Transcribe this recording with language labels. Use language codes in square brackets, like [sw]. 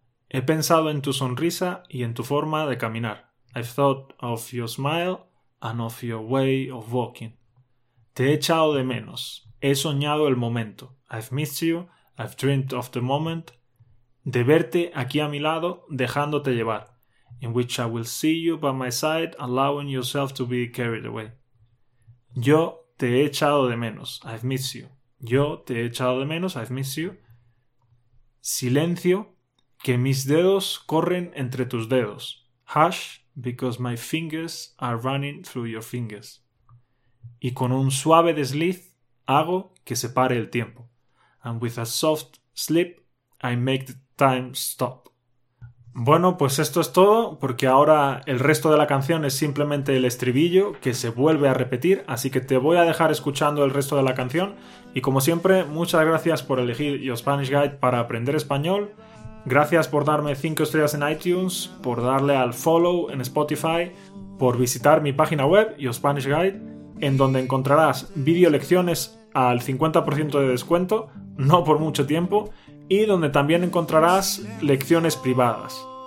[es] He pensado en tu sonrisa y en tu forma de caminar. [en] I've thought of your smile and of your way of walking. [es] Te he echado de menos. He soñado el momento. [en] I've missed you. I've dreamed of the moment. [es] De verte aquí a mi lado, dejándote llevar. [en] In which I will see you by my side, allowing yourself to be carried away. Yo te he echado de menos. I've missed you. Yo te he echado de menos. I've missed you. Silencio. [es] Que mis dedos corren entre tus dedos. [en] Hush, because my fingers are running through your fingers. [es] Y con un suave desliz hago que se pare el tiempo. [en] And with a soft slip, I make the time stop. [es] Bueno, pues esto es todo, porque ahora el resto de la canción es simplemente el estribillo que se vuelve a repetir. Así que te voy a dejar escuchando el resto de la canción. Y como siempre, muchas gracias por elegir Your Spanish Guide para aprender español. Gracias por darme 5 estrellas en iTunes, por darle al follow en Spotify, por visitar mi página web, Your Spanish Guide, en donde encontrarás video lecciones al 50% de descuento, no por mucho tiempo, y donde también encontrarás lecciones privadas.